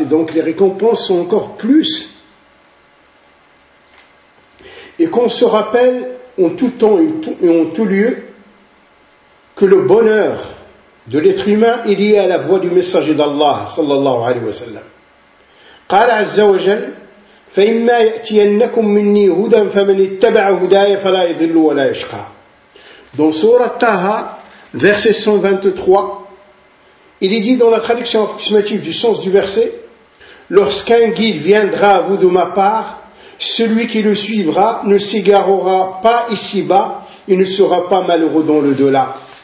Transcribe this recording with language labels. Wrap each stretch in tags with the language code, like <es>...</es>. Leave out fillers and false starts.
<fr>Et donc les récompenses sont encore plus. Et qu'on se rappelle, en tout temps et en tout lieu, que le bonheur de l'être humain est lié à la voix du messager d'Allah, sallallahu alayhi wa sallam.</fr> <ar>قال عز وجل فإما يأتينكم مني هدى فمن اتبع هداي فلا يضل ولا يشقى.</ar> <fr>Dans Surah Taha, verset 123, il est dit dans la traduction approximative du sens du verset, lorsqu'un guide viendra à vous de ma part, celui qui le suivra ne s'égarera pas ici-bas et ne sera pas malheureux dans le delà.</fr>